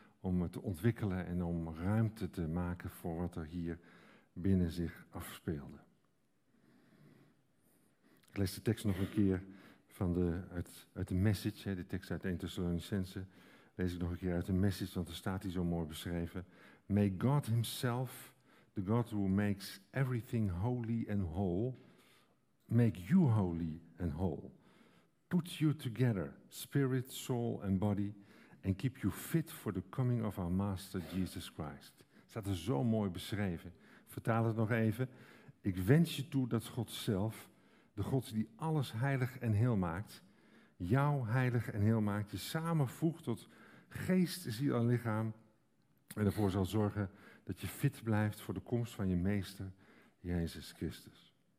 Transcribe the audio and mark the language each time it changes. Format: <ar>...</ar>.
<nl>om het te ontwikkelen en om ruimte te maken voor wat er hier binnen zich afspeelde. Ik lees de tekst nog een keer van uit de Message, de tekst uit 1 Thessalonicense. Lees ik nog een keer uit de Message, want er staat hier zo mooi beschreven.</nl> <en>May God himself, the God who makes everything holy and whole, make you holy and whole. Put you together, spirit, soul and body, and keep you fit for the coming of our Master Jesus Christ.</en> <nl>Het staat er zo mooi beschreven. Ik vertaal het nog even. Ik wens je toe dat God zelf, de God die alles heilig en heel maakt, jou heilig en heel maakt, je samenvoegt tot geest, ziel en lichaam, en ervoor zal zorgen dat je fit blijft voor de komst van je meester, Jezus Christus.</nl>